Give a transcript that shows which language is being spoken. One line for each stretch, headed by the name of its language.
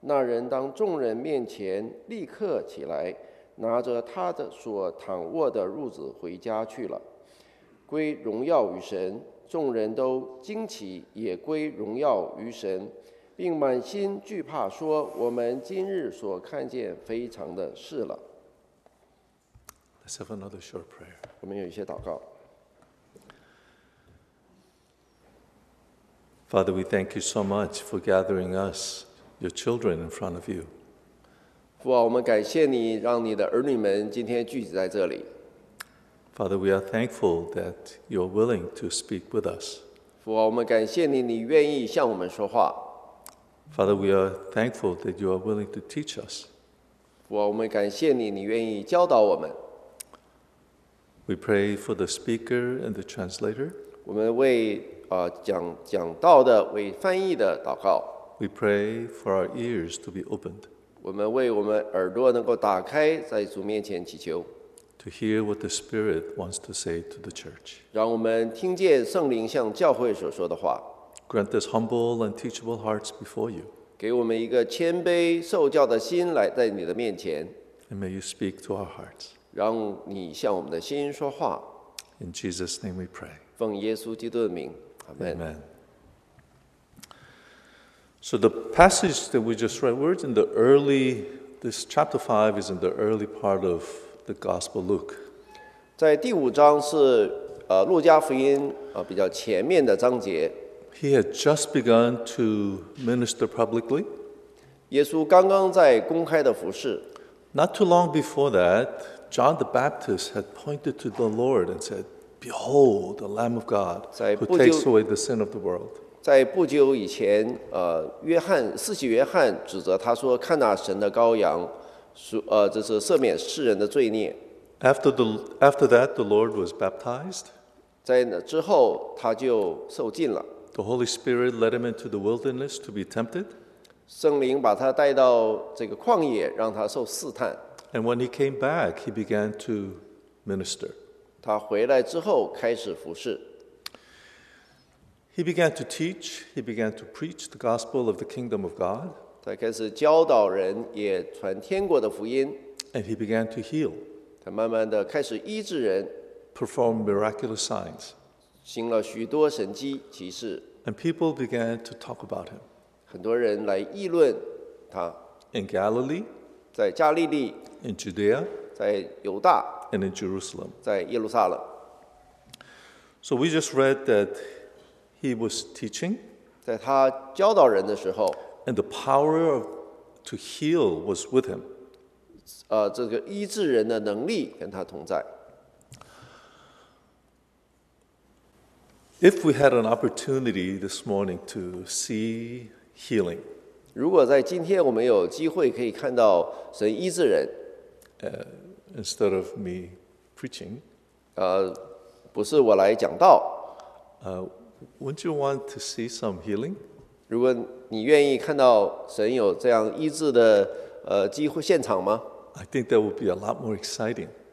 Chinese: 那人当众人面前立刻起来，拿着他的所躺卧的褥子回家去了，归荣耀于神。众人都惊奇，也归荣耀于神，并满心惧怕，说：“我们今日所看见非常的事了。”
English: Let's have another short prayer.
Chinese: 我们有一些祷告。
English: Father, we thank you so much for gathering us, your children, in front of you.
Chinese: 父啊，我们感谢你，让你的儿女们今天聚集在这里。
English: Father, we are thankful that you're willing to speak with us.
Chinese: 父啊，我们感谢你，你愿意向我们说话。
English: Father, we are thankful that you are willing to teach us.
Chinese: 父啊，我们感谢你，你愿意教导我们。
English: We pray for the speaker and the translator.
Chinese: 我们为讲道的为翻译的祷告。
English: We pray for our ears to be opened.
Chinese: 我们为我们耳朵能够打开，在主面前祈求。
English: To hear what the Spirit wants to say to the church.
Chinese: 让我们听见圣灵向教会所说的话。
English: Grant us humble and teachable hearts before you.
Chinese: 给我们一个谦卑受教的心来在你的面前。
English: And may you speak to our hearts.
Chinese: 让你向我们的心说话。
English: In Jesus' name we pray.
Chinese: 奉耶稣基督的名。
English: Amen. So the passage that we just read, where it's in the early, this chapter 5 is in the early part of the Gospel of Luke.
Chinese: 在第五章是路加福音比较前面的章节。
English: He had just begun to minister publicly.
Chinese: 耶稣刚刚在公开的服事。
English: Not too long before that, John the Baptist had pointed to the Lord and said,Behold, the Lamb of God, who takes away the sin of the world.
Chinese: 在不久以前，约翰，四喜约翰指责他说：“看那神的羔羊，这是赦免世人的罪孽。”
English: After that, the Lord was baptized.
Chinese: 在那之后，他就受浸了。
English: The Holy Spirit led him into the wilderness to be tempted.
Chinese: 圣灵把他带到这个旷野，让他受试探。
English: And when he came back, he began to minister.
Chinese: 他回来之后开始服事。
English: He began to teach, he began to preach the gospel of the kingdom of God.
Chinese: 他开始教导人，也传天国的福音。
English: And he began to heal.
Chinese: 他慢慢的开始医治人。
English: Perform miraculous signs.
Chinese: 行了许多神迹奇事。
English: And people began to talk about him.
Chinese: 很多人来议论他。
English: In Galilee.
Chinese: 在加利利。
English: In Judea.
Chinese: 在犹大。
English: And in Jerusalem.
Chinese: 在耶路撒冷。
English: So we just read that he was teaching.
Chinese: 在他教导人的时候。
English: And the power of to heal was with him.
Chinese: 这个医治人的能力跟他同在。
English: If we had an opportunity this morning to see healing.
Chinese: 如果在今天我们有机会可以看到神医治人。
English: instead of me preaching.
Chinese: 不是我来讲道。
English: Wouldn't you want to see some healing?
Chinese: 如果你愿意看到神有这样医治的机会现场吗？
English: I think that would be a lot more exciting.